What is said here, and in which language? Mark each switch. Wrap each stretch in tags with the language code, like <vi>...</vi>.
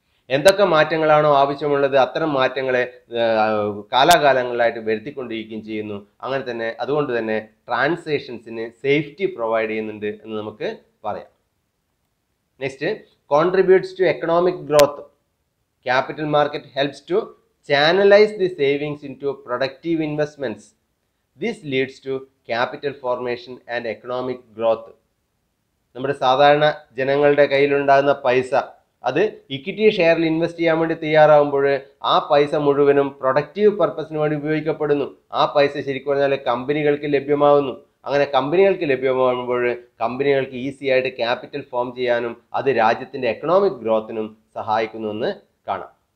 <ml>എന്തൊക്കെ മാറ്റങ്ങളാണോ ആവശ്യമുള്ളത് അത്തരം മാറ്റങ്ങളെ കാലാകാലങ്ങളിലായിട്ട് വരുത്തിക്കൊണ്ടിരിക്കുകയും ചെയ്യുന്നു. അങ്ങനെ തന്നെ അതുകൊണ്ട് തന്നെ ട്രാൻസാക്ഷൻസിന് സേഫ്റ്റി പ്രൊവൈഡ് ചെയ്യുന്നുണ്ട് എന്ന് നമുക്ക് പറയാം. Next,</ml> <en>Contributes to economic growth. Capital market helps to channelize the savings into productive investments. This leads to capital formation and economic growth.</en> <ml>നമ്മുടെ സാധാരണ ജനങ്ങളുടെ കയ്യിലുണ്ടാകുന്ന പൈസ അത് ഇക്വിറ്റി ഷെയറിൽ ഇൻവെസ്റ്റ് ചെയ്യാൻ വേണ്ടി തയ്യാറാകുമ്പോൾ ആ പൈസ മുഴുവനും പ്രൊഡക്റ്റീവ് പർപ്പസിന് വേണ്ടി ഉപയോഗിക്കപ്പെടുന്നു. ആ പൈസ ശരിക്കും പറഞ്ഞാൽ കമ്പനികൾക്ക് ലഭ്യമാകുന്നു. അങ്ങനെ കമ്പനികൾക്ക് ലഭ്യമാകുമ്പോൾ കമ്പനികൾക്ക് ഈസി ആയിട്ട് ക്യാപിറ്റൽ ഫോം ചെയ്യാനും അത് രാജ്യത്തിൻ്റെ എക്കണോമിക് ഗ്രോത്തിനും സഹായിക്കുന്നുവെന്ന് കാണാം.</ml>